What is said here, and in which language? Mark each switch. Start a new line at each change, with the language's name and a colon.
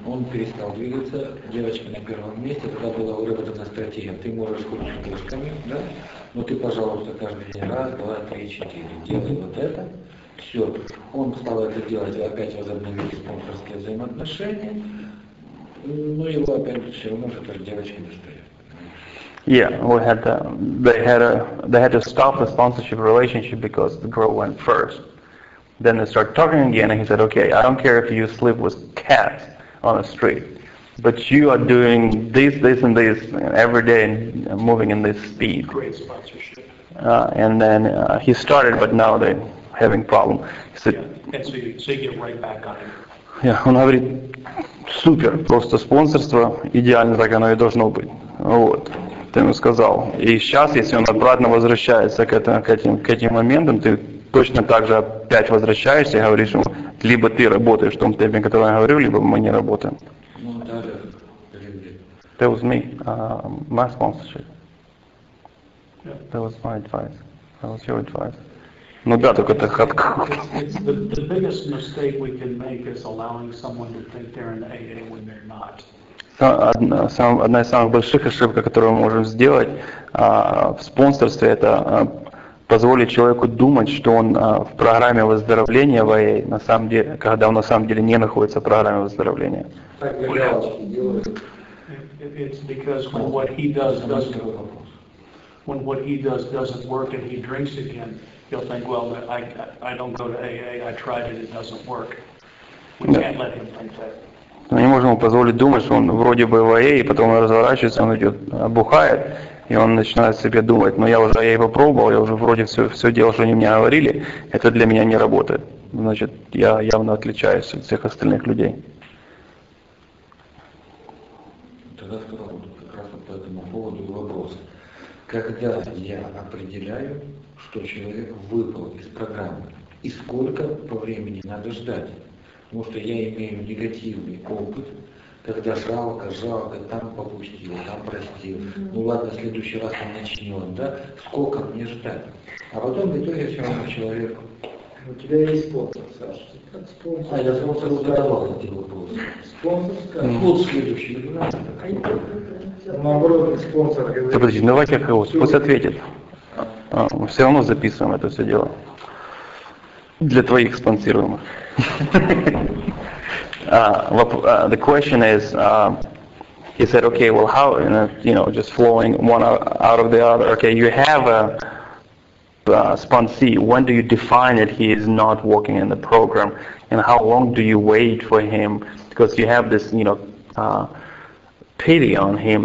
Russian: Он перестал двигаться, девочка на первом месте, тогда была выработана стратегия. Ты можешь ходить с девушками, да? Но ты, пожалуйста, каждый день раз, два, три, четыре, делай вот это. Все. Он стал это делать, опять возобновили спонсорские взаимоотношения. Но его опять все равно же тоже девочки достают.
English: Yeah, they had to stop the sponsorship relationship because the girl went first. Then they start talking again, and he said, okay, I don't care if you sleep with cats on the street, but you are doing this, this, and this every day, and moving in this speed. Great sponsorship. And then he started, but now they're having problem. He said, yeah. And so you get right back on it.
Russian: Yeah, он говорит, супер, просто спонсорство, идеально так оно и должно быть. Вот. Ты ему сказал. И сейчас, если он обратно возвращается к этим моментам, ты точно так же опять возвращаешься и говоришь ему, либо ты работаешь в том темпе, который я говорю, либо мы не работаем. Ну, да, да.
English: That was me. My sponsorship. Yeah. That was my advice. That was your advice.
Russian: Ну да, только это хатка.
English: The biggest mistake we can make is allowing someone to think they're in AA when they're not.
Russian: Одна из самых больших ошибок, которую мы можем сделать в спонсорстве, это позволить человеку думать, что он в программе выздоровления в АЭ, на самом деле, когда он на самом деле не находится в программе выздоровления.
English: It's because when what he does doesn't work, when what he does doesn't work and he drinks again, he'll think, well, I don't go to AA, I tried it, it doesn't work. We can't let him think that.
Russian: Мы не можем ему позволить думать, что он вроде бы в АЭ, и потом он разворачивается, он идет, бухает, и он начинает себе думать, ну я уже АЭ попробовал, я уже вроде все делал, что они мне говорили, это для меня не работает. Значит, я явно отличаюсь от всех остальных людей. Тогда сказал как раз по этому поводу вопрос. Когда я определяю, что человек выпал из программы, и сколько по времени надо ждать? Потому что я имею негативный опыт, когда жалко, там попустил, там простил. Ну ладно, в следующий раз он начнет, да? Сколько мне ждать? А потом в итоге все равно человек. У тебя есть спонсор, Саша. Как спонсор? Я спонсору задавал эти вопросы. Спонсор? Вот следующий. Наоборот, спонсор говорит. Да подожди, давай как его, пусть ответит. Мы все равно записываем это все дело. Для твоих спонсируемых.
English: The question is, he said, okay, well, how, you know, just flowing one out of the other. Okay, you have a sponsee. When do you define that he is not working in the program? And how long do you wait for him? Because you have this, you know, pity on him.